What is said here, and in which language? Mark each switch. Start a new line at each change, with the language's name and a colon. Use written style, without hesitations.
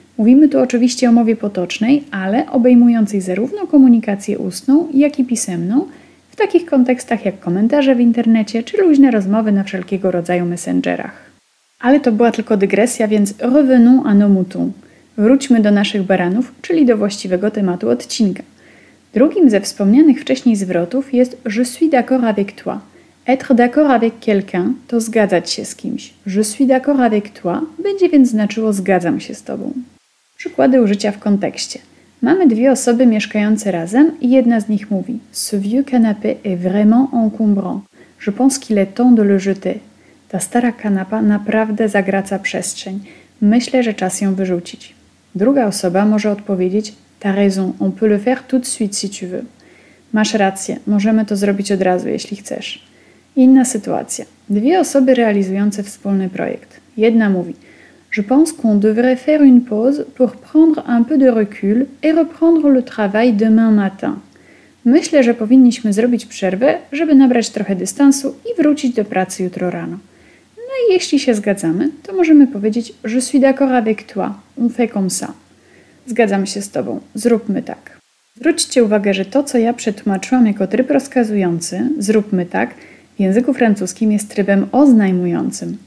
Polish: Mówimy tu oczywiście o mowie potocznej, ale obejmującej zarówno komunikację ustną, jak i pisemną, w takich kontekstach jak komentarze w internecie czy luźne rozmowy na wszelkiego rodzaju messengerach. Ale to była tylko dygresja, więc
French: revenons à nos moutons.
Polish: Wróćmy do naszych baranów, czyli do właściwego tematu odcinka. Drugim ze wspomnianych wcześniej zwrotów jest
French: je suis d'accord avec toi. Être d'accord avec quelqu'un
Polish: to zgadzać się z kimś.
French: Je suis d'accord avec toi
Polish: będzie więc znaczyło zgadzam się z tobą. Przykłady użycia w kontekście. Mamy dwie osoby mieszkające razem i jedna z nich mówi:
French: Ce vieux canapé est vraiment encombrant. Je pense qu'il est temps de le jeter.
Polish: Ta stara kanapa naprawdę zagraca przestrzeń. Myślę, że czas ją wyrzucić. Druga osoba może odpowiedzieć:
French: T'as raison, on peut le faire tout de suite si tu veux.
Polish: Masz rację, możemy to zrobić od razu, jeśli chcesz. Inna sytuacja. Dwie osoby realizujące wspólny projekt. Jedna mówi:
French: Je pense qu'on devrait faire une pause pour prendre un peu de recul et reprendre le travail demain matin.
Polish: Myślę, że powinniśmy zrobić przerwę, żeby nabrać trochę dystansu i wrócić do pracy jutro rano. No i jeśli się zgadzamy, to możemy powiedzieć:
French: Je suis d'accord avec toi, on fait comme ça.
Polish: Zgadzam się z tobą, zróbmy tak. Zwróćcie uwagę, że to, co ja przetłumaczyłam jako tryb rozkazujący, zróbmy tak, w języku francuskim jest trybem oznajmującym.